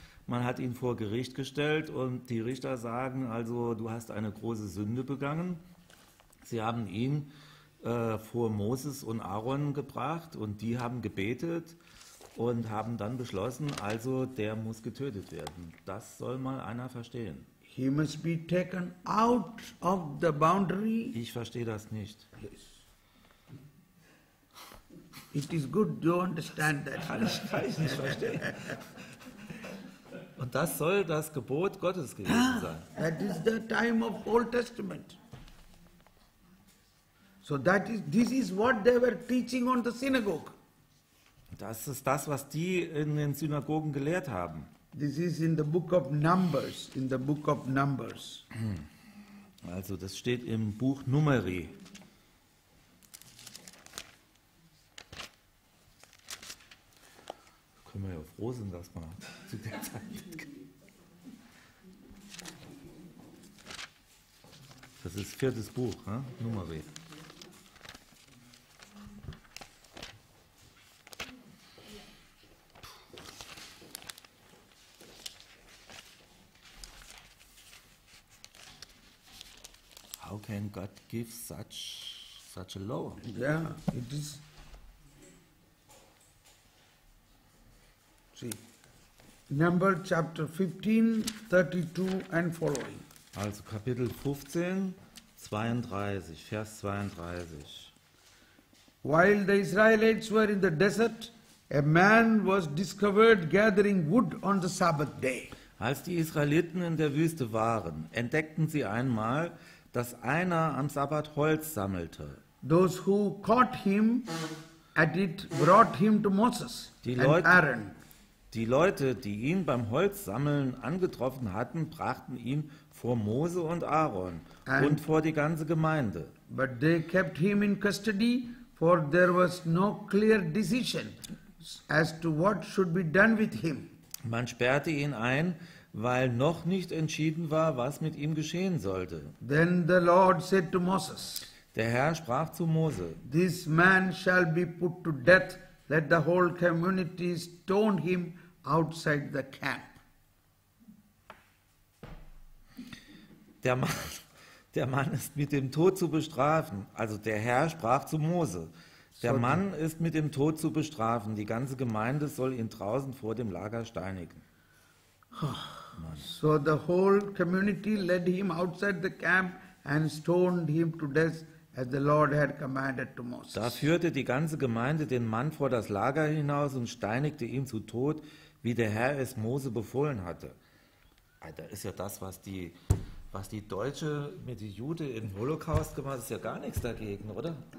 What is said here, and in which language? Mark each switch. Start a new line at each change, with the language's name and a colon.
German: Man hat ihn vor Gericht gestellt und die Richter sagen, also du hast eine große Sünde begangen. Sie haben ihn vor Moses und Aaron gebracht und die haben gebetet und haben dann beschlossen, also der muss getötet werden. Das soll mal einer verstehen.
English: He must be taken out of the boundary.
German: Ich verstehe das nicht.
English: Yes. It is good to understand that.
German: Alles kann ich nicht. Und das soll das Gebot Gottes gewesen sein.
English: That is the time of Old Testament. So that is this is what they were teaching on the synagogue.
German: Das ist das, was die in den Synagogen gelehrt haben.
English: This is in the book of Numbers. In the book of Numbers.
German: Also das steht im Buch Numeri. Können wir ja froh sein, dass man zu der Zeit. Das ist viertes Buch, ne? Numeri.
English: How can God give such a law? Yeah, it is. Number chapter 15, 32 and following.
German: Also Kapitel 15, 32, Vers 32.
English: While the Israelites were in the desert, a man was discovered gathering wood on the Sabbath day.
German: Als die Israeliten in der Wüste waren, entdeckten sie einmal, dass einer am Sabbat Holz sammelte.
English: Those who caught him at it brought him to Moses and Aaron.
German: Die Leute, die ihn beim Holzsammeln angetroffen hatten, brachten ihn vor Mose und Aaron und vor die ganze Gemeinde.
English: But they kept him in custody, for there was no clear decision as to what should be done with him.
German: Man sperrte ihn ein, weil noch nicht entschieden war, was mit ihm geschehen sollte.
English: Then the Lord said to Moses,
German: der Herr sprach zu Mose,
English: this man shall be put to death, let the whole community stone him outside the camp.
German: Der Mann ist mit dem Tod zu bestrafen. Also der Herr sprach zu Mose, der Mann ist mit dem Tod zu bestrafen, die ganze Gemeinde soll ihn draußen vor dem Lager steinigen.
English: So the whole community led him outside the camp and stoned him to death as the Lord had commanded to Moses.
German: Da führte die ganze Gemeinde den Mann vor das Lager hinaus und steinigte ihn zu Tod, wie der Herr es Mose befohlen hatte. Alter, ist ja das, was die Deutsche mit den Juden im Holocaust gemacht, ist ja gar nichts dagegen, oder?